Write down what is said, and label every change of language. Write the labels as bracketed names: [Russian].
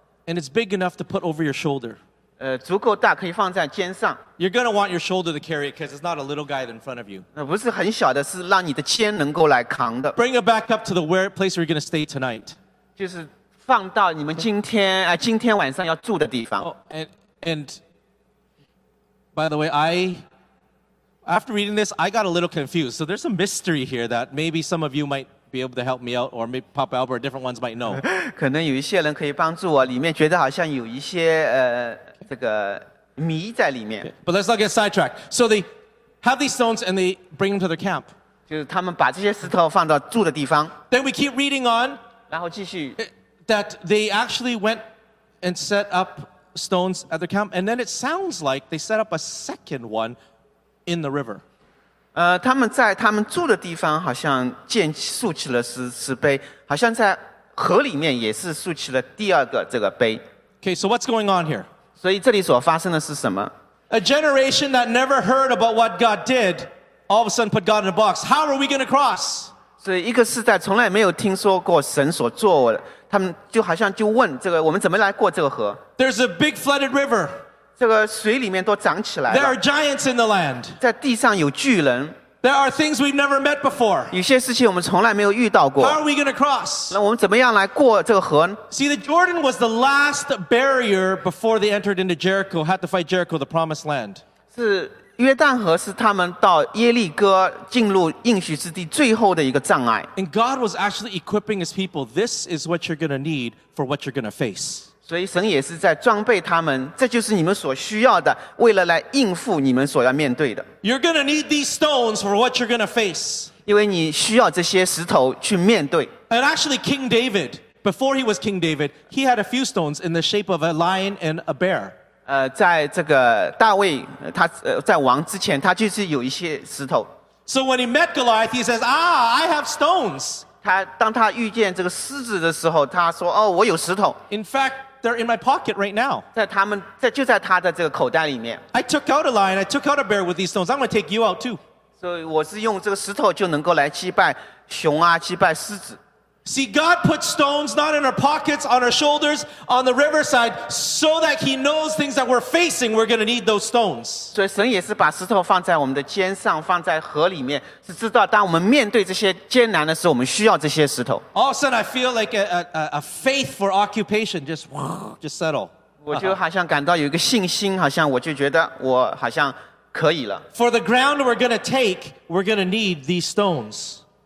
[English] And it's big enough to put over your shoulder， [Chinese] 足够大可以放在肩上。 [English] You're going to want your shoulder to carry it， because it's not a little guy in front of you， [Chinese] 不是很小的，是让你的肩能够来扛的。 [English] Bring it back up to the where place where you're going to stay tonight， [Chinese] 就是放到你们今天晚上要住的地方。 [English] And by the way， after reading this I got a little confused， so there's some mystery here that maybe some of you mightbe able to help me out, or maybe Papa Albert or different ones might know. [Chinese] 可能有一些人可以帮助我，里面觉得好像有一些这个谜在里面。 [English] But let's not get sidetracked. So they have these stones and they bring them to their camp. [Chinese] 就是他们把这些石头放到住的地方。 [English] Then we keep reading on. [Chinese] 然后继续。 [English] That they actually went and set up stones at their camp, and then it sounds like they set up a second one in the river. [Chinese] 他们在他们住的地方好像建竖起了石碑，好像在河里面也是竖起了第二个这个碑。 [English] Okay, so what's going on here? [Chinese] 所以这里所发生的是什么？ [English] A generation that never heard about what God did, all of a sudden put God in a box. How are we going to cross? [Chinese] 所以一个世代从来没有听说过神所做的，他们就好像就问这个，我们怎么来过这个河？ [English] There's a big flooded river. [Chinese] 这个水里面都涨起来了。 [English] There are giants in the land. [Chinese] 在地上有巨人。 [English] There are things we've never met before. [Chinese] 有些事情我们从来没有遇到过。 [English] How are we going to cross? [Chinese] 那我们怎么样来过这个河呢？ [English] See, the Jordan was the last barrier before they entered into Jericho, had to fight Jericho, the promised land. [Chinese] 是约旦河是他们到耶利哥进入应许之地最后的一个障碍。 [English] And God was actually equipping his people. This is what you're going to need for what you're going to face. [Chinese] 所以神也是在装备他们，这就是你们所需要的，为了来应付你们所要面对的。 [English] You're going to need these stones for what you're going to face. [Chinese] 因为你需要这些石头去面对。 [English] And actually King David, before he was King David, he had a few stones in the shape of a lion and a bear. [Chinese] 在这个大卫他在王之前他就是有一些石头。 [English] So when he met Goliath, he says, ah, I have stones. [Chinese] 他当他遇见这个狮子的时候他说哦我有石头。 [English] In fact,they're in my pocket right now. [Chinese] 就在他的这个口袋里面。 [English] I took out a lion, I took out a bear with these stones. I'm going to take you out too. [Chinese] 所以我是用这个石头就能够来击败熊啊，击败狮子。 [English] See, God put stones not in our pockets, on our shoulders, on the riverside, so that he knows things that we're facing, we're going to need those stones. [Chinese] 所以神也是把石头放在我们的肩上，放在河里面，是知道当我们面对这些艰难的时候，我们需要这些石头。 [English] All of a sudden, I feel like a faith for occupation just settle. [Chinese] 我就好像感到有一个信心，好像我就觉得我好像可以了。 [English] For the ground we're going to take, we're going to need these stones.